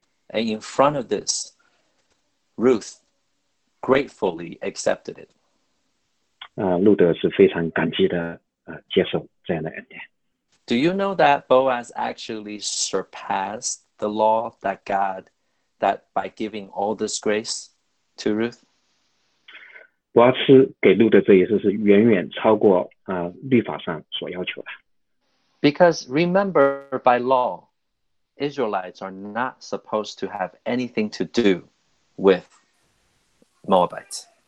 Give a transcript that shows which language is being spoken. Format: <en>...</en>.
<en>And in front of this, Ruth gratefully accepted it.</en> <zh>路德是非常感激的。接受这样的恩典。</zh> <en>Do you know that Boaz actually surpassed the law that God, that by giving all this grace to Ruth?</en> <zh>伯阿斯给路德这一次是远远超过律法上所要求的。</zh> <en>Because remember, by law, Israelites are not supposed to have anything to do with Moabites.</en>